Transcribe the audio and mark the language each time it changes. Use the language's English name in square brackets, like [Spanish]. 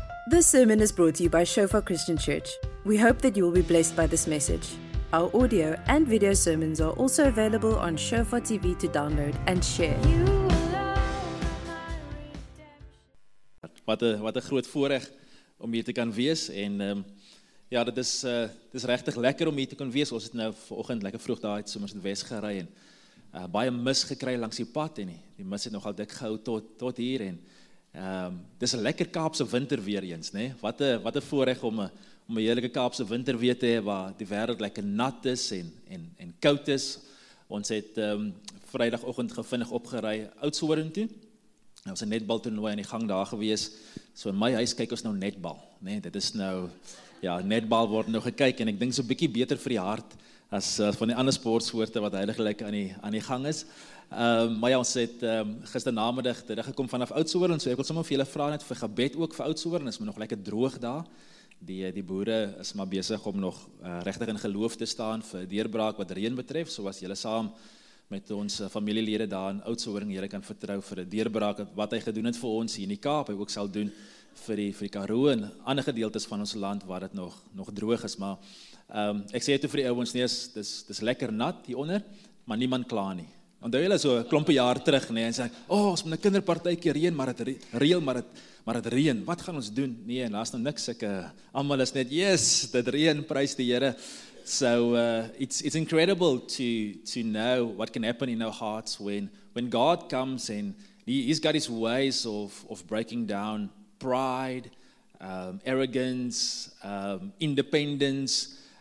[English] This sermon is brought to you by Shofar Christian Church. We hope that you will be blessed by this message. Our audio and video sermons are also available on Shofar TV to download and share. [Afrikaans] Wat 'n groot voorreg om hier te kan wees en ja, dit is regtig lekker om hier te kan wees. Ons het nou vanoggend lekker vroeg daar uit sommer in die Wes gery en baie mis gekry langs die pad en die mis het nogal dik gehou tot hier en dis 'n lekker Kaapse winter weer eens, né? Wat 'n voorreg om 'n heerlike Kaapse winter weer te hê waar die wêreld lekker nat is en koud is. Ons het Vrydagoggend gevinnig opgery Oudtshoorn toe. Ons het netbal toernooi aan die gang daar gewees. So in my huis kyk ons nou netbal, né? Dit is nou ja, netbal word nou gekyk en ek dink so 'n bietjie beter vir die hart as van die ander sportsoorte wat heiliglik aan die gang is. Maar ja, ons het gisternamiddag teruggekom vanaf Oudtshoorn, so ek wil sommer vir julle vra net vir gebed ook vir Oudtshoorn, is maar nog lekker droog daar. Die boere is maar besig om nog regtig in geloof te staan vir deurbraak wat reën betref, so as julle saam met ons familielede daar in Oudtshoorn, julle kan vertrou vir 'n deurbraak wat hy gedoen het vir ons hier in die Kaap, hy ook sal doen vir die Karoo en ander gedeeltes van ons land waar dit nog droog is, maar ek sê toe vir die ouens, nee, dis lekker nat hier onder, maar niemand kla nie. Onthou julle so 'n klompe jaar terug, nee, en sê, oh, ons moet 'n kinderpartytjie reën, maar dit reën, wat gaan ons doen? Nee, en daar is nou niks, almal is net, yes, dit reën, prys die Here. [English] So, it's incredible to know what can happen in our hearts when God comes and he's got his ways of breaking down pride, arrogance, independence.